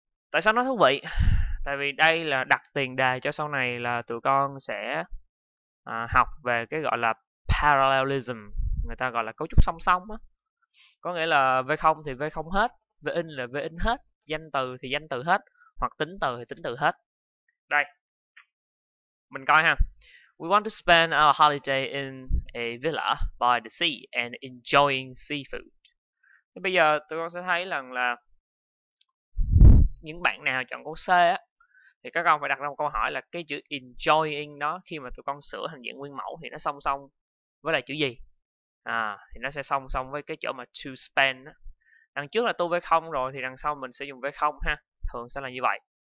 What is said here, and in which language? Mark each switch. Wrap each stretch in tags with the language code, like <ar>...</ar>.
<vi>Tại sao nó thú vị? Tại vì đây là đặt tiền đề cho sau này là tụi con sẽ học về cái gọi là parallelism, người ta gọi là cấu trúc song song á. Có nghĩa là V0 thì V0 hết, V in là V in hết, danh từ thì danh từ hết, hoặc tính từ thì tính từ hết. Đây. Mình coi ha.</vi> <en>We want to spend our holiday in a villa by the sea and enjoying seafood.</en> <vi>Thì bây giờ tụi con sẽ thấy rằng là những bạn nào chọn câu C á thì các con phải đặt ra một câu hỏi là cái chữ enjoying đó khi mà tụi con sửa thành dạng nguyên mẫu thì nó song song với là chữ gì? À thì nó sẽ song song với cái chỗ mà to spend á. Đằng trước là to V0 rồi thì đằng sau mình sẽ dùng V0 ha. thường sẽ là như vậy.</vi>